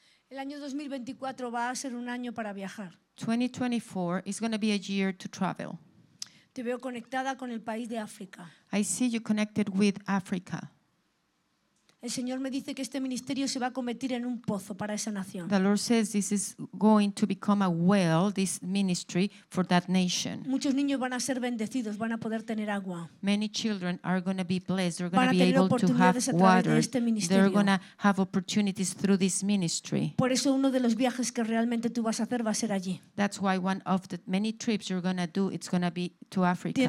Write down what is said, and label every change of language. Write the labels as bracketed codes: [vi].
[es] El año 2024 va a ser un año para viajar. [en] 2024 is going to be a year to travel. [es] Te veo conectada con el país de África. [en] I see you connected with Africa. [es] El Señor me dice que este ministerio se va a convertir en un pozo para esa nación. [en] The Lord says this is going to become a well, this ministry for that nation. [es] Muchos niños van a ser bendecidos, van a poder tener agua. [en] Many children are going to be blessed, they're going to be able to have water. [es] Este [en] they're going to have opportunities through this ministry. [es] Por eso uno de los viajes que realmente tú vas a hacer va a ser allí. [en] That's why one of the many trips you're going to do, it's going to be to Africa.